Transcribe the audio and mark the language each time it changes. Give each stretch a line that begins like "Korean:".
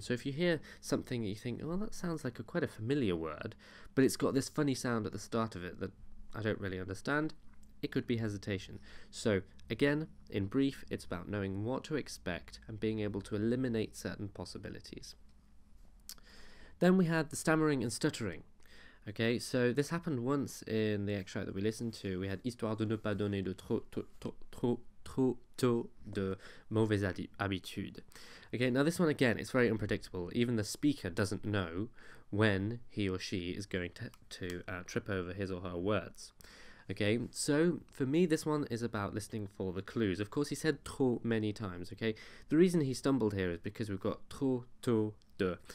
English: So if you hear something that you think, well, that sounds like a quite a familiar word, but it's got this funny sound at the start of it that I don't really understand, it could be hesitation. So again, in brief, it's about knowing what to expect and being able to eliminate certain possibilities. Then we had the stammering and stuttering. Okay, so this happened once in the extract that we listened to. We had
French: histoire de ne pas donner de trop tôt de mauvaise habitude.
English: Okay, now this one again, it's very unpredictable. Even the speaker doesn't know when he or she is going to trip over his or her words. Okay, so for me, this one is about listening for the clues. Of course, he said trop many times, okay? The reason he stumbled here is because we've got
French: trop tôt de.